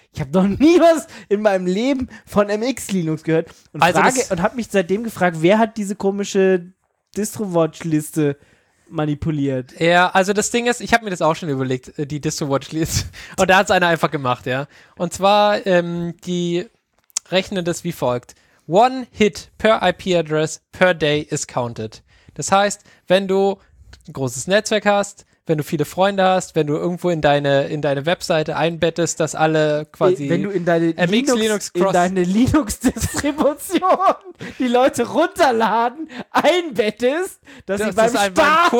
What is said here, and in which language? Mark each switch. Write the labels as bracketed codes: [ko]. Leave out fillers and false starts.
[de] Ich habe noch nie was in meinem Leben von MX Linux gehört. Und also frage, und habe mich seitdem gefragt, wer hat diese komische DistroWatch-Liste manipuliert? Ja, also das Ding ist, ich habe mir das auch schon überlegt, die DistroWatch-Liste. Und da hat es einer einfach gemacht, ja. Und zwar, die rechnen das wie folgt. [en] One hit per IP address per day is counted. [de] Das heißt, wenn du ein großes Netzwerk hast, wenn du viele Freunde hast, wenn du irgendwo in deine Webseite einbettest, dass alle quasi wenn du in deine MX Linux Cross, in deine Linux Distribution die Leute runterladen, einbettest, dass sie beim Starten